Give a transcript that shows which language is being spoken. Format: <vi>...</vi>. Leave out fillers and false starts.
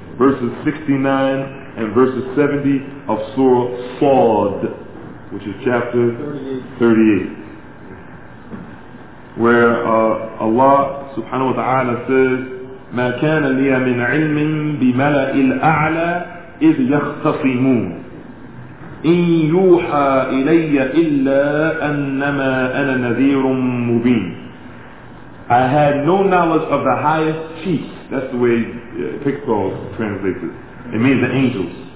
<en>Verses 69 and verses 70 of Surah Sa'd, which is chapter 38. Where Allah subhanahu wa ta'ala says,</en> <ar>مَا كَانَ لِيَ مِنْ عِلْمٍ بِمَلَئِ الْأَعْلَى إِذْ يَخْتَصِمُونَ إِنْ يُوحَى إِلَيَّ إِلَّا أَنَّمَا أَنَا نَذِيرٌ مُّبِينٌ.</ar> <en>I had no knowledge of the highest chief. That's the way Pixel translates it. It means the angels.</en>